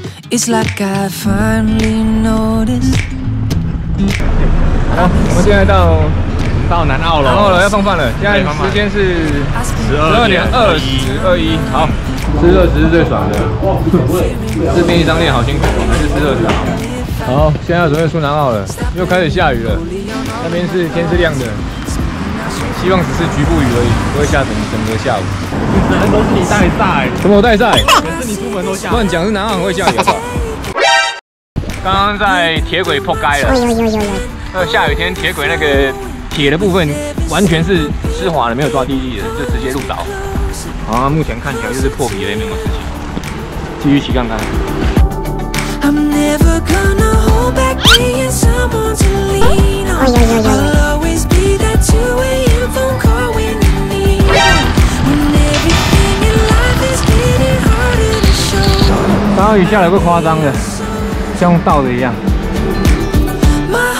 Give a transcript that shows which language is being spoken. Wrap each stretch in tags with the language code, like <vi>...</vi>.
<en>It's like I finally noticed.</en> <zh>好，我们现在到南澳了，然后要放饭了。现在时间是 12:21。好，吃热食是最爽的。吃便利商店好辛苦，还是吃热食好。好，现在要准备出南澳了，又开始下雨了。那边是天是亮的。希望只是局部雨而已，不会下整个下午。可能都是你带晒，什么我带晒？可是你出门都下。乱讲，是南澳很会下雨。刚刚在铁轨破街了。下雨天铁轨那个铁的部分完全是湿滑的，没有抓地力的，就直接入岛。啊，目前看起来就是破皮了，没什么事情。继续骑看看。</zh> <en>I'm never gonna hold back being someone to lean on. I'll always be that two-way phone call when you need. When everything in life is getting harder to show.</en> <zh>刚刚雨下得够夸张的，像倒的一样。</zh> <en>My heart</en>